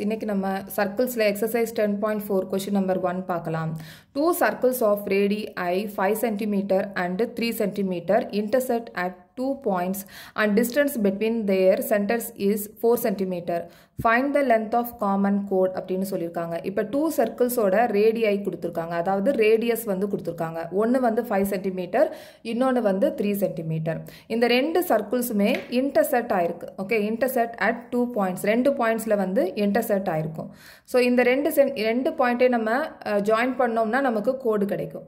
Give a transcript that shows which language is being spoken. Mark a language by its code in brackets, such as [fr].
[ta] இன்னைக்கு நம்ம circles ல exercise 10.4 question number 1 பார்க்கலாம். [en] Two circles of radii 5 cm and 3 cm intersect at two points and distance between their centers is 4 cm. Find the length of common chord [ta] அப்படின்னு சொல்லியிருக்காங்க. இப்போ two சர்க்கிள்ஸோட ரேடியை கொடுத்துருக்காங்க, அதாவது radius வந்து கொடுத்துருக்காங்க. ஒன்று வந்து 5 cm, இன்னொன்று வந்து 3 cm. இந்த ரெண்டு சர்க்கிள்ஸுமே இன்டர்செக்ட் ஆயிருக்கு. Okay, [en] intersect at two points, [ta] ரெண்டு பாயிண்ட்ஸில் வந்து இன்டர்செக்ட் ஆயிருக்கும். ஸோ இந்த ரெண்டு பாயிண்ட்டே நம்ம ஜாயின் பண்ணோம்னா நமக்கு கோடு கிடைக்கும்.